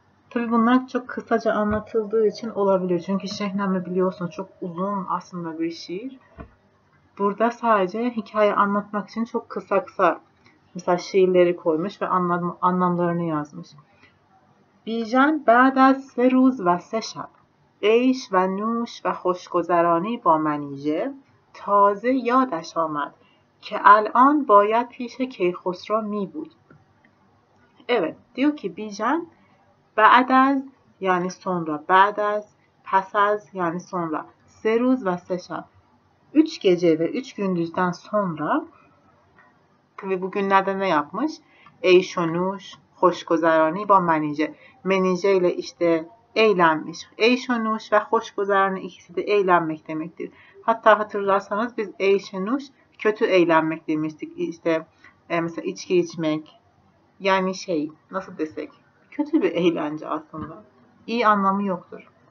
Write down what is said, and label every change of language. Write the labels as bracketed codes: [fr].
[tr] Tabi bunlar çok kısaca anlatıldığı için olabilir çünkü Şehname biliyorsun çok uzun aslında bir şiir. Burada sadece hikaye anlatmak için çok kısa kısa mesela şiirleri koymuş ve anlamlarını yazmış. [fa] Bijan ba'daz se ruz ve se şab. عیش و نوش و خوشگذرانی با منیژه تازه یادش آمد که الان باید پیش کیخسرو می بود. [tr] Evet, diyor ki Bijan [fa] بعد از [tr] یعنی sonra [fa] بعد از پس از [tr] یعنی sonra [fa] سه روز و سه شب [tr] 3 gece ve 3 gündüzden sonra ve bugünlerde ne yapmış? [fa] عیش و نوش خوشگذرانی با منیژه. [tr] منیژه ile işte eğlenmiş. Eyşenuş ve hoşgüzelini ikisi de eğlenmek demektir. Hatta hatırlarsanız biz eyşenuş kötü eğlenmek demiştik. İşte mesela içki içmek. Yani şey nasıl desek. Kötü bir eğlence aslında. İyi anlamı yoktur.